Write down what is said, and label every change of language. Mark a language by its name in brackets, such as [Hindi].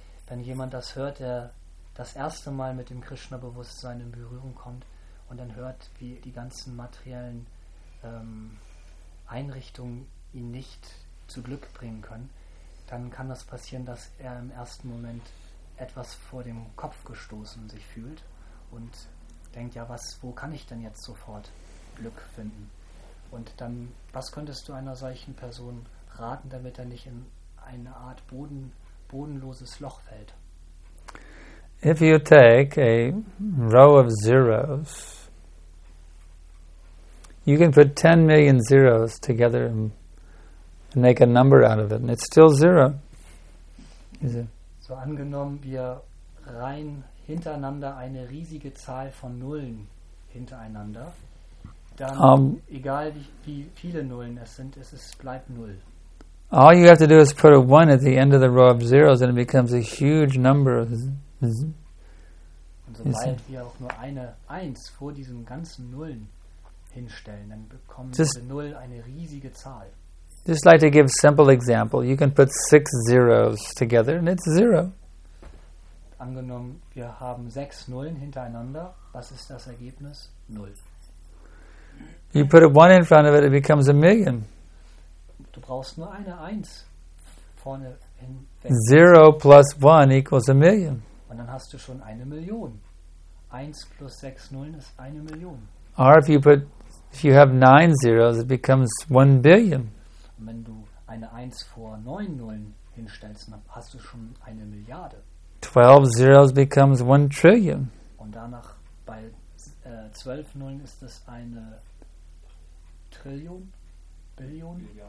[German] Wenn jemand das hört, der das erste Mal mit dem Krishna-Bewusstsein in Berührung kommt und dann hört, wie die ganzen materiellen Einrichtungen ihn nicht zu Glück bringen können, dann kann das passieren, dass er im ersten Moment etwas vor dem Kopf gestoßen sich fühlt und denkt, ja, wo kann ich denn jetzt sofort Glück finden? Und dann, was könntest du einer solchen Person raten, damit er nicht in eine Art bodenloses Loch fällt. [English] If you take a row of zeros, you can put 10 million zeros together and make a number out of it, and it's still zero. Is it? [German] So angenommen, wir reihen hintereinander eine riesige Zahl von Nullen hintereinander, dann, egal wie viele Nullen es sind, es bleibt Null. [English] All you have to do is put a 1 at the end of the row of zeros and it becomes a huge number. [German] Und sobald wir auch nur eine 1 vor diesen ganzen Nullen hinstellen, dann bekommen diese Null eine riesige Zahl. [English] Just like to give a simple example, you can put 6 zeros together and it's 0. [German] Angenommen, wir haben 6 Nullen hintereinander, was ist das Ergebnis? 0. [English] You put a 1 in front of it, it becomes a million. [German] Du brauchst nur eine 1 vorne hin. [English] 0 plus 1 equals a million. [German] Und dann hast du schon eine Million. 1 plus 6 Nullen ist eine Million. [English] Or if you have 9 zeros, it becomes 1 billion. [German] Und wenn du eine 1 vor 9 Nullen hinstellst, dann hast du schon eine Milliarde. [English] 12 zeros becomes 1 trillion. [German] Und danach bei 12 Nullen ist es eine Trillion. [English] Billion.